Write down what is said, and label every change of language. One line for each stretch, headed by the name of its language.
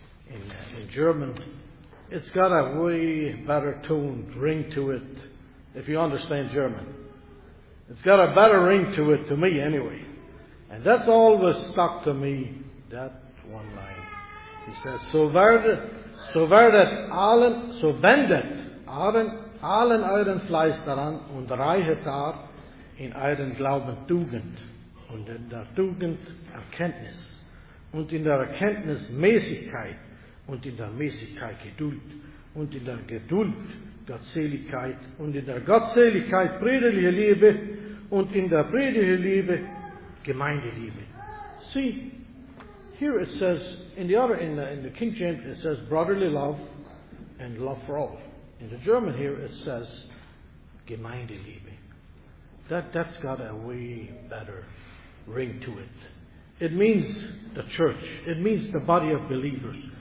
English: In German, it's got a way better tone, ring to it, if you understand German. It's got a better ring to it, to me anyway. And that's always stuck to me, that one line.
German: He says, So werdet allen euren Fleiß daran und reiche Tat in euren Glauben Tugend und in der Tugend Erkenntnis und in der Erkenntnis Mäßigkeit und in der Mäßigkeit Geduld und in der Geduld Gottseligkeit und in der Gottseligkeit friedliche Liebe und in der friedliche Liebe Gemeindeliebe.
English: See, here it says, in the King James it says brotherly love and love for all. In the German here it says Gemeindeliebe. That's got a way better ring to it. It means the church. It means the body of believers.